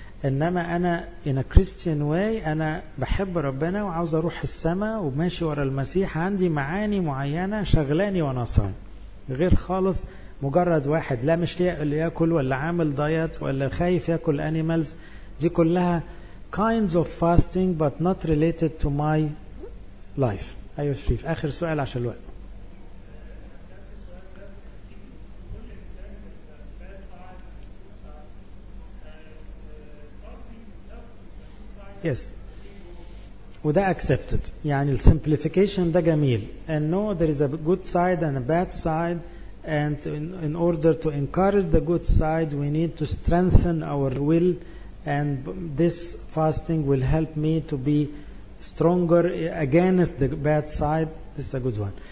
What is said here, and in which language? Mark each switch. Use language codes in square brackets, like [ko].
[ar] انما انا [en] in a Christian way [ar] انا بحب ربنا وعاوز اروح السماء وماشي ورا المسيح، عندي معاني معينه شغلاني وانا صايم، غير خالص مجرد واحد لا مش ياكل ولا عامل دايت ولا خايف ياكل انيمالز. دي كلها [en] kinds of fasting but not related to my life. [ar] ايوه شريف، اخر سؤال عشان الوقت. [en] Yes. [ar] وده accepted. يعني [en] the simplification [ar] ده جميل. [en] And no, there is a good side and a bad side. And in order to encourage the good side, we need to strengthen our will. And this fasting will help me to be stronger against the bad side. This is a good one.